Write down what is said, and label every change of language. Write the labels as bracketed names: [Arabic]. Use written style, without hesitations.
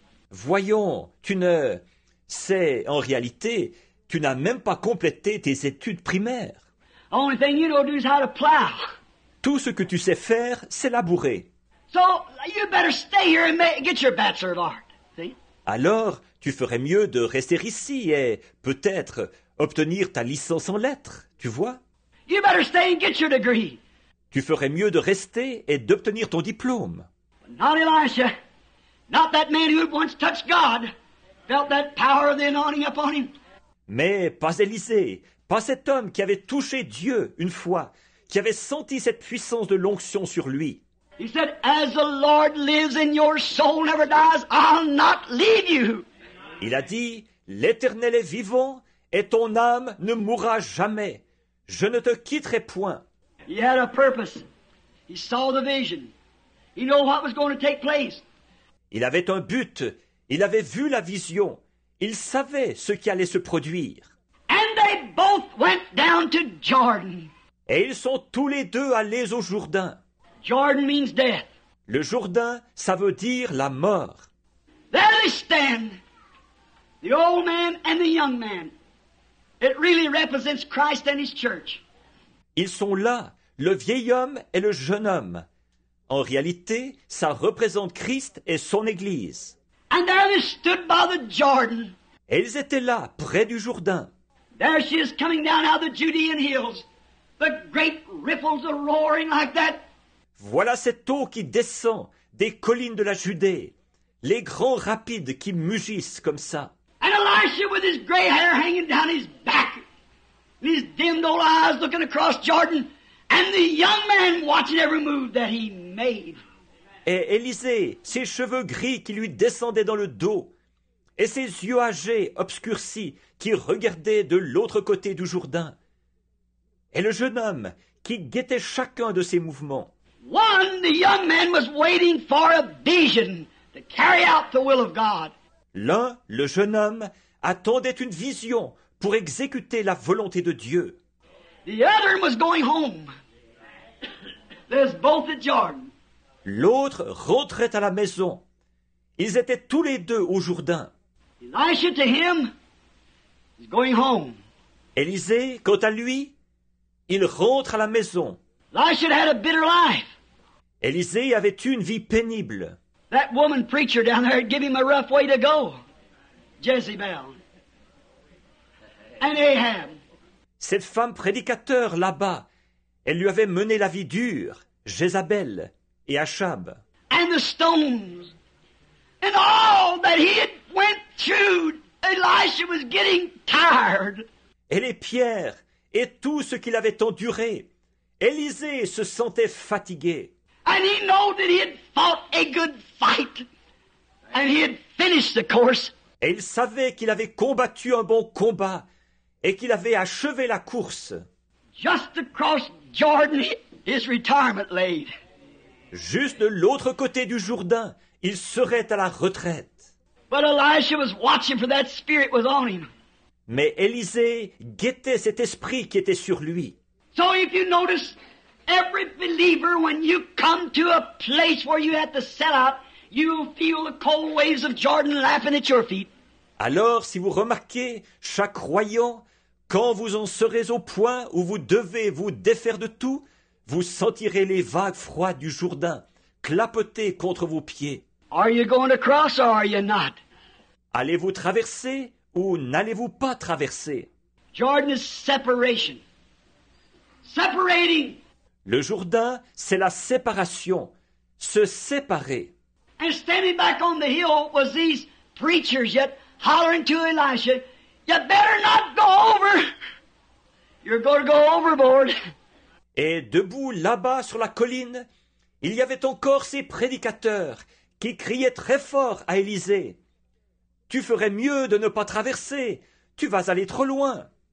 [French] Voyons, tu ne sais, en réalité, tu n'as même pas complété tes études primaires. [English] The only thing you don't do is how to plow. [French] Tout ce que tu sais faire, c'est labourer. [English] So you better stay here and get your bachelor of art. See? [French] Alors, tu ferais mieux de rester ici et peut-être obtenir ta licence en lettres, tu vois? [English] You better stay and get your degree. [French] Tu ferais mieux de rester et d'obtenir ton diplôme. [English] Not Elisha, not that man who once touched God, felt that power of the anointing upon him. [French] Mais pas Élisée, pas cet homme qui avait touché Dieu une fois, qui avait senti cette puissance de l'onction sur lui. [English] He said, as the Lord lives and your soul never dies, I'll not leave you. [French] Il a dit, l'Éternel est vivant et ton âme ne mourra jamais. Je ne te quitterai point. [English] He had a purpose. He saw the vision. He knew what was going to take place. [French] Il avait un but. Il avait vu la vision. Il savait ce qui allait se produire. [English] And they both went down to Jordan. [French] Et ils sont tous les deux allés au Jourdain. [English] Jordan means death. [French] Le Jourdain, ça veut dire la mort. [English] There they stand, the old man and the young man. It really represents Christ and his church. [French] Ils sont là, le vieil homme et le jeune homme. En réalité, ça représente Christ et son Église. [English] And there they stood by the Jordan. [French] Et ils étaient là, près du Jourdain. [English] There she is coming down out of the Judean hills. The great ripples are roaring like that. [French] Voilà cette eau qui descend des collines de la Judée, les grands rapides qui mugissent comme ça. [English] And Elisha with his gray hair hanging down his back, and his dimmed old eyes looking across Jordan, and the young man watching every move that he made. [French] Et Élisée, ses cheveux gris qui lui descendaient dans le dos, et ses yeux âgés obscurcis qui regardaient de l'autre côté du Jourdain, et le jeune homme qui guettait chacun de ses mouvements. [English] One, the young man was waiting for a vision to carry out the will of God. [French] L'un, le jeune homme, attendait une vision pour exécuter la volonté de Dieu. [English] The other was going home. There's both at Jordan. [French] L'autre rentrait à la maison. Ils étaient tous les deux au Jourdain. [English] Elisha to him is going home. [French] Élisée, quant à lui, il rentre à la maison. [English] Elisha had a bitter life. [French] Élisée avait eu une vie pénible. [English] That woman preacher down there gave him a rough way to go. Jezebel. And Ahab. [French] Cette femme prédicateur là-bas, elle lui avait mené la vie dure, Jézabel et Achab. [English] And the stones. And all that he had went through, Elisha was getting tired. [French] Et les pierres et tout ce qu'il avait enduré, Élisée se sentait fatigué. [English] And he knew that he had fought a good fight, and he had finished the course. [French] Et il savait qu'il avait combattu un bon combat et qu'il avait achevé la course. [English] Just across Jordan, his retirement laid. [French] Juste de l'autre côté du Jourdain, il serait à la retraite. [English] But Elisha was watching for that spirit was on him. [French] Mais Élisée guettait cet esprit qui était sur lui. [English] So if you notice. Every believer, when you come to a place where you have to set out, you will feel the cold waves of Jordan laughing at your feet. [French] Alors, si vous remarquez, chaque croyant, quand vous en serez au point où vous devez vous défaire de tout, vous sentirez les vagues froides du Jourdain clapoter contre vos pieds. [English] Are you going to cross or are you not? [French] Allez-vous traverser ou n'allez-vous pas traverser? [English] Jordan is separation. Separating. [French] Le Jourdain, c'est la séparation, se séparer. [English] And standing back on the hill was these preachers yet hollering to Elisha, you better not go over, you're going to go overboard. [French] Et debout là-bas sur la colline, il y avait encore ces prédicateurs qui criaient très fort à Élisée, tu ferais mieux de ne pas traverser, tu vas aller trop loin.